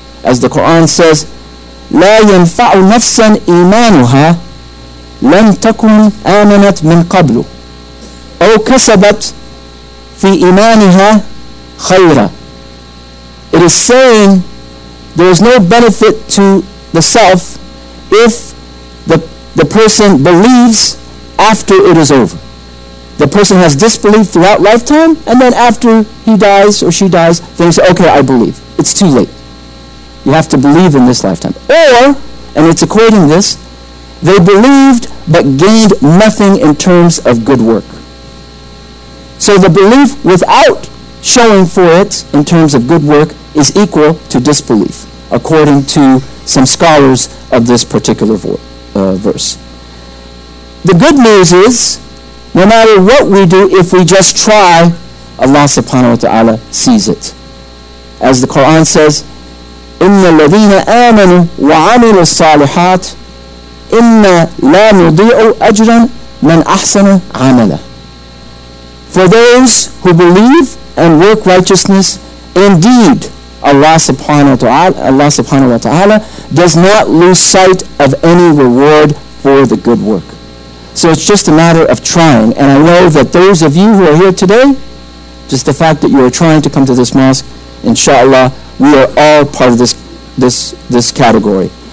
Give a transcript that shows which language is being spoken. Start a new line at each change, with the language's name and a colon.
English: As the Quran says,
Arabic: لَا يَنْفَعُ نَفْسًا إِيمَانُهَا لَمْ تَكُنْ آمَنَتْ مِنْ قَبْلُ أَوْ كَسَبَتْ فِي إِيمَانِهَا خَيْرًا.
English: It is saying there is no benefit to the self if the person believes after it is over. The person has disbelief throughout lifetime, and then after he dies or she dies, they say, okay, I believe. It's too late. You have to believe in this lifetime. Or, and it's according to this, they believed but gained nothing in terms of good work. So the belief without showing for it in terms of good work is equal to disbelief, according to some scholars of this particular verse. The good news is, no matter what we do, if we just try, Allah subhanahu wa ta'ala sees it. As the Quran says,
Arabic: إِنَّ الَّذِينَ آمَنُوا وَعَمِلُوا الصَّالِحَاتِ إِنَّ لَا نُضِيعُ أَجْرًا مَنْ أَحْسَنَ عَمَلًا.
English: For those who believe and work righteousness, indeed, Allah subhanahu wa ta'ala does not lose sight of any reward for the good work. So it's just a matter of trying. And I know that those of you who are here today, just the fact that you are trying to come to this mosque, inshallah, we are all part of this category.